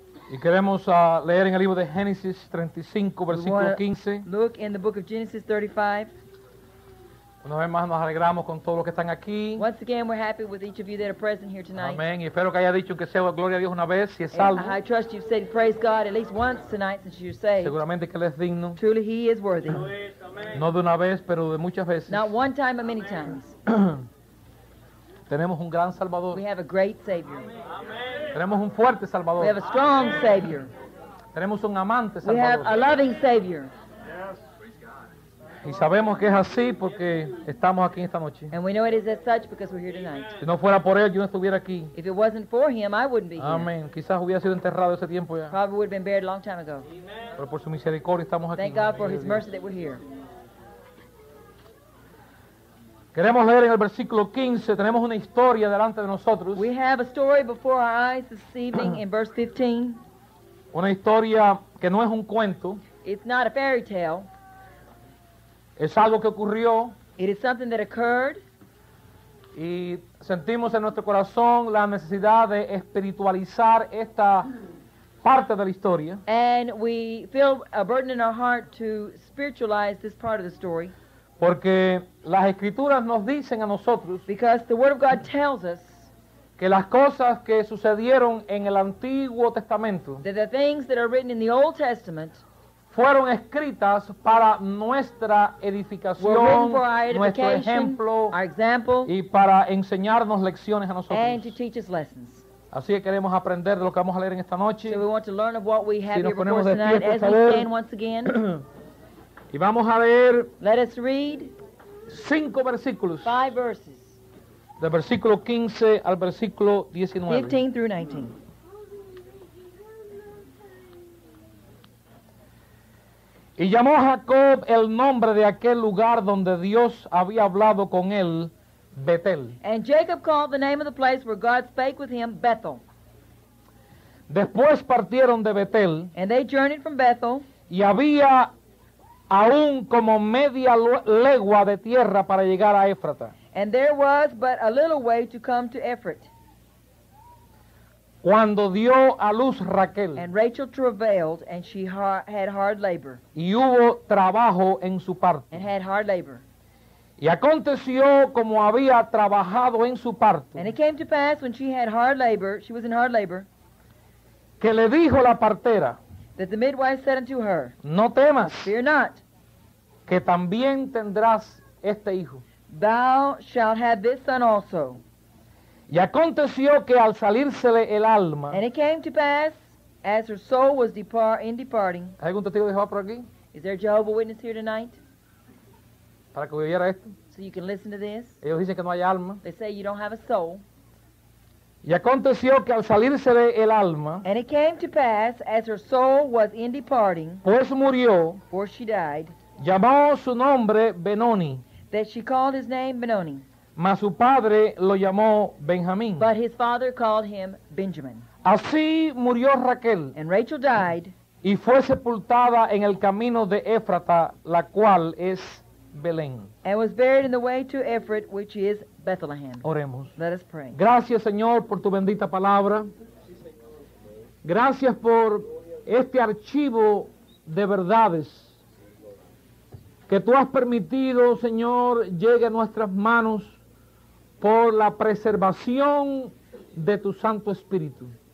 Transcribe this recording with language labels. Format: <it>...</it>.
<es>Y queremos leer en el libro de Génesis 35, versículo 15.</es> <en>Look in the book of Genesis 35.</en> <es>Una vez más nos alegramos con todos los que están aquí.</es> <en>Once again, we're happy with each of you that are present here tonight.</en> <es>Amén. Y espero que haya dicho que sea gloria a Dios una vez, si es salvo.</es> <en>I trust you've said praise God at least once tonight since you're saved.</en> <es>Seguramente que Él es digno.</es> <en>Truly He is worthy.</en> <es>No de una vez, pero de muchas veces.</es> <en>Not one time, but many times.</en> <es>Tenemos un gran Salvador.</es> <en>We have a great Savior. Amen.</en> <es>Tenemos un fuerte Salvador.</es> <en>We have a strong Savior.</en> <es>Tenemos un amante Salvador.</es> <en>We have a loving Savior.</en> <es>Y sabemos que es así porque estamos aquí esta noche.</es> <en>And we know it is as such because we're here tonight.</en> <es>Si no fuera por él, yo no estuviera aquí.</es> <en>If it wasn't for him, I wouldn't be here.</en> <es>Amén. Quizás hubiera sido enterrado ese tiempo ya.</es> <en>Probably would have been buried a long time ago.</en> <es>Pero por su misericordia estamos aquí.</es> <en>Thank God for his mercy that we're here.</en> <es>Queremos leer en el versículo 15, tenemos una historia delante de nosotros.</es> <en>We have a story before our eyes this evening in verse 15.</en> <es>Una historia que no es un cuento.</es> <en>It's not a fairy tale.</en> <es>Es algo que ocurrió.</es> <en>It is something that occurred.</en> <es>Y sentimos en nuestro corazón la necesidad de espiritualizar esta parte de la historia.</es> <en>And we feel a burden in our heart to spiritualize this part of the story.</en> <es>Porque las Escrituras nos dicen a nosotros,</es> <en>because the Word of God tells us,</en> <es>que las cosas que sucedieron en el Antiguo Testamento,</es> <en>that the things that are written in the Old Testament,</en> <es>fueron escritas para nuestra edificación,</es> <en>were written for our edification,</en> <es>nuestro ejemplo,</es> <en>our example,</en> <es>y para enseñarnos lecciones a nosotros,</es> <en>and to teach us lessons.</en> <es>Así que queremos aprender de lo que vamos a leer en esta noche.</es> <en>So we want to learn of what we have si here before tonight, pie, as we can once again.</en> <es>Y vamos a leer,</es> <en>let us read,</en> <es>5 versículos,</es> <en>5 verses,</en> <es>del versículo 15 al versículo 19,</es> <en>15 through 19.</en> <es>Y llamó Jacob el nombre de aquel lugar donde Dios había hablado con él, Betel.</es> <en>And Jacob called the name of the place where God spake with him, Bethel.</en> <es>Después partieron de Betel,</es> <en>and they journeyed from Bethel,</en> <es>y había aún como media legua de tierra para llegar a Éfrata.</es> <en>And there was but a little way to come to Ephrat.</en> <es>Cuando dio a luz Raquel.</es> <en>And Rachel travailed, and she had hard labor.</en> <es>Y hubo trabajo en su parto.</es> <en>And had hard labor.</en> <es>Y aconteció como había trabajado en su parto.</es> <en>And it came to pass when she had hard labor, she was in hard labor.</en> <es>Que le dijo la partera.</es> <en>That the midwife said unto her,</en> <es>no temas,</es> <en>fear not,</en> <es>que también tendrás este hijo.</es> <en>Thou shalt have this son also.</en> <es>Y aconteció que al salírsele el alma,</es> <en>and it came to pass, as her soul was departing,</en> <es>¿hay algún testigo de Jehová por aquí?</es> <en>Is there a Jehovah Witness here tonight?</en> <es>Para que oyera esto.</es> <en>So you can listen to this.</en> <es>Ellos dicen que no hay alma.</es> <en>They say you don't have a soul.</en> <es>Y aconteció que al salirse de el alma,</es> <en>and it came to pass, as her soul was in departing,</en> <es>pues murió,</es> <en>for she died,</en> <es>llamó su nombre Benoni,</es> <en>that she called his name Benoni,</en> <es>mas su padre lo llamó Benjamín,</es> <en>but his father called him Benjamin.</en> <es>Así murió Raquel,</es> <en>and Rachel died,</en> <es>y fue sepultada en el camino de Éfrata, la cual es Belén.</es> <en>And was buried in the way to Ephrat, which is Bethlehem.</en> <es>Oremos.</es> <en>Let us pray.</en> <es>Gracias, Señor, por tu bendita palabra. Gracias por este archivo de verdades que tú has permitido, Señor, llegue a nuestras manos por la preservación de tu Santo Espíritu.</es>